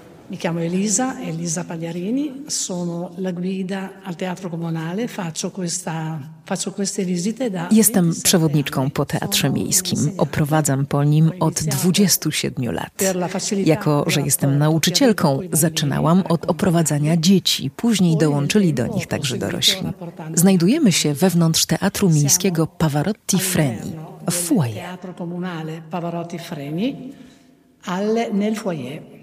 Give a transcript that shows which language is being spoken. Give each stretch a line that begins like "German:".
Italian: Mi chiamo Elisa Pagliarini, sono la guida al teatro comunale, faccio queste visite da.
Polish: Jestem przewodniczką po teatrze miejskim, oprowadzam po nim od 27 lat. Jako że jestem nauczycielką, zaczynałam od oprowadzania dzieci, później dołączyli do nich także dorośli. Znajdujemy się wewnątrz teatru miejskiego Pavarotti Freni, w foyer.
Italian: Teatro comunale Pavarotti Freni, nel foyer.